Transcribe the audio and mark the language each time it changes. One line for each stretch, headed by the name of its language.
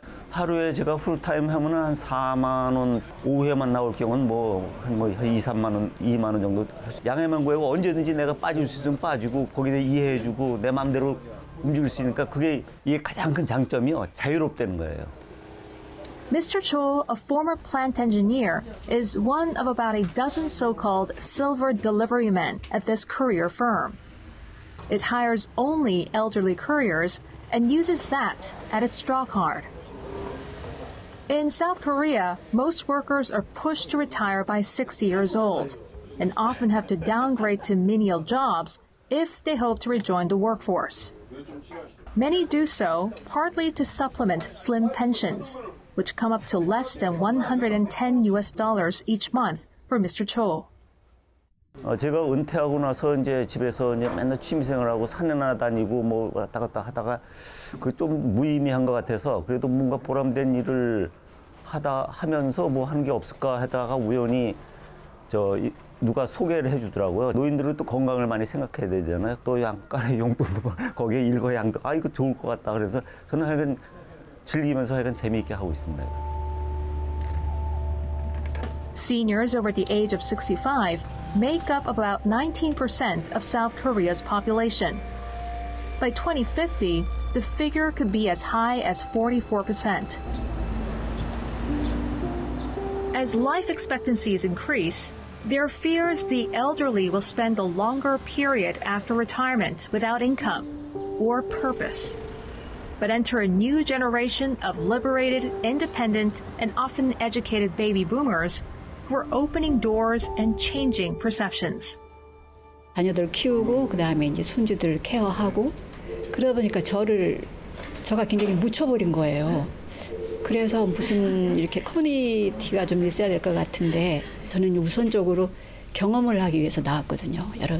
Korean: 하루에 제가 풀타임 하면 한 4만 원, 오후에만 나올 경우는 한 2, 3만 원, 2만 원 정도. 양해만 구하고 언제든지 내가 빠질 수 있으면 빠지고 거기에 이해해주고 내 마음대로 움직일 수 있으니까 그게 이게 가장 큰 장점이요. 자유롭다는 거예요.
English: Mr. Cho, a former plant engineer, is one of about a dozen so-called silver delivery men at this courier firm. It hires only elderly couriers and uses that as its draw card. In South Korea, most workers are pushed to retire by 60 years old and often have to downgrade to menial jobs if they hope to rejoin the workforce. Many do so partly to supplement slim pensions, which come up to less than $110 each month for Mr. Cho.
Korean: 제가 은퇴하고 나서 이제 집에서 이제 맨날 취미생활하고 산에나 다니고 뭐 왔다 갔다 하다가 그 좀 무의미한 것 같아서 그래도 뭔가 보람된 일을 하면서 뭐 하는 게 없을까 하다가 우연히 누가 소개를 해주더라고요. 노인들은 또 건강을 많이 생각해야 되잖아요. 또 약간의 용돈도 거기에 일거 양도 이거 좋을 것 같다 그래서 저는 하여간 즐기면서 하여간 재미있게 하고 있습니다.
English: Seniors over the age of 65 make up about 19% of South Korea's population. By 2050, the figure could be as high as 44%. As life expectancies increase, there are fears the elderly will spend a longer period after retirement without income or purpose, but enter a new generation of liberated, independent, and often educated baby boomers were opening doors and changing perceptions.
Korean: 자녀들 키우고 그다음에 이제 손주들 케어하고 그러다 보니까 제가 굉장히 묻혀버린 거예요. 그래서 무슨 이렇게 커뮤니티가 좀 있어야 될 것 같은데 저는 우선적으로 경험을 하기 위해서 나왔거든요.